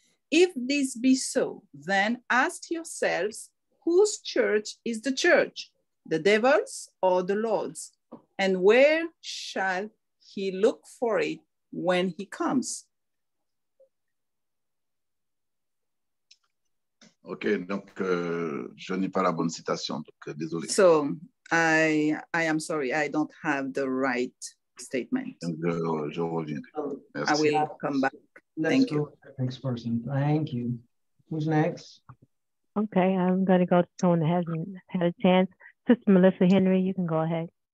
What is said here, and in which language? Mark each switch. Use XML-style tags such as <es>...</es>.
<en>If this be so, then ask yourselves, whose church is the church, the devil's or the Lord's? And where shall he look for it when he comes?</en> <fr>Okay, donc je n'ai pas la bonne citation, donc désolé.</fr> <en>So I am sorry, I don't have the right statement.</en> <fr>Je reviens. Merci.</fr> <en>I will come back. Thank you. Next person. Thank you. Who's next? Okay, I'm gonna go to someone that hasn't had a chance. Sister Melissa Henry, you can go ahead.</en>